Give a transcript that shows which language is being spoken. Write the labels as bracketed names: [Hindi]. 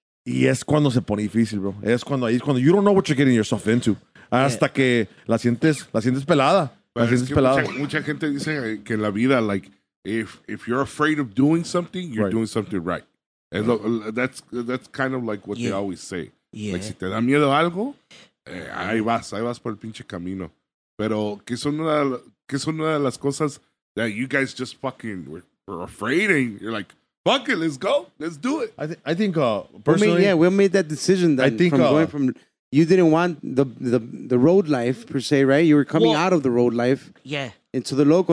[Spanish] Y es cuando se pone difícil, bro. Es cuando you don't know what you're getting yourself into. Hasta que la sientes pelada. [English] Mucha gente dice que en la vida, like, If you're afraid of doing something, you're doing something right. And that's kind of like what they always say. Yeah. [Spanish] Like, si te da miedo algo, ahí vas por el pinche camino. [English] Pero, ¿qué son una de las cosas that you guys just fucking were afraid and you're like, fuck it, let's go, let's do it. I think personally... We made that decision then, I think, from going from... You didn't want the road life, per se, right? You were coming out of the road life into the local.